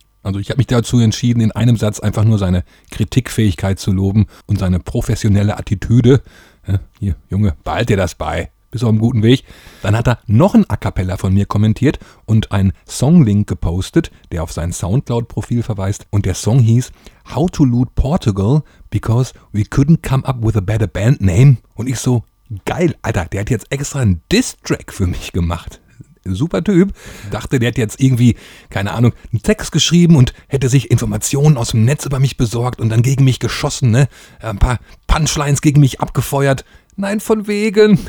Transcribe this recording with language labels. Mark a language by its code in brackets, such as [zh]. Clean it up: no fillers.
[de] Also ich habe mich dazu entschieden, in einem Satz einfach nur seine Kritikfähigkeit zu loben und seine professionelle Attitüde. Hier, Junge, behalt dir das bei. Bist du auf einem guten Weg. Dann hat er noch ein A Cappella von mir kommentiert und einen Songlink gepostet, der auf sein Soundcloud-Profil verweist. Und der Song hieß [en] How to Loot Portugal because we couldn't come up with a better band name. [de] Und ich so, geil, Alter, der hat jetzt extra einen Diss-Track für mich gemacht. Super Typ. Dachte, der hat jetzt irgendwie, keine Ahnung, einen Text geschrieben und hätte sich Informationen aus dem Netz über mich besorgt und dann gegen mich geschossen, ne? Ein paar Punchlines gegen mich abgefeuert. Nein, von wegen.